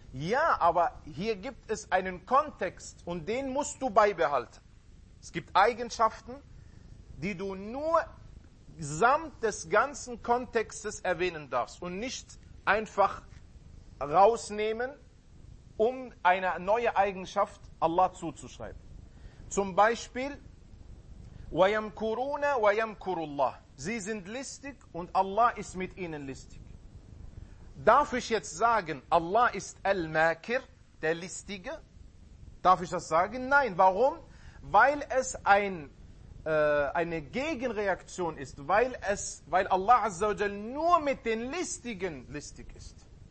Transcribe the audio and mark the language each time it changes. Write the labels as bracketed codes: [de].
[de] Ja, aber hier gibt es einen Kontext und den musst du beibehalten. Es gibt Eigenschaften, die du nur samt des ganzen Kontextes erwähnen darfst und nicht einfach rausnehmen, um eine neue Eigenschaft Allah zuzuschreiben. Zum Beispiel, [ar] وَيَمْكُرُونَ وَيَمْكُرُ اللَّهِ. [de] Sie sind listig und Allah ist mit ihnen listig. Darf ich jetzt sagen, Allah ist Al-Makir, der Listige? Darf ich das sagen? Nein. Warum? Weil es eine Gegenreaktion ist, weil Allah Azza wa Jal nur mit den Listigen listig ist.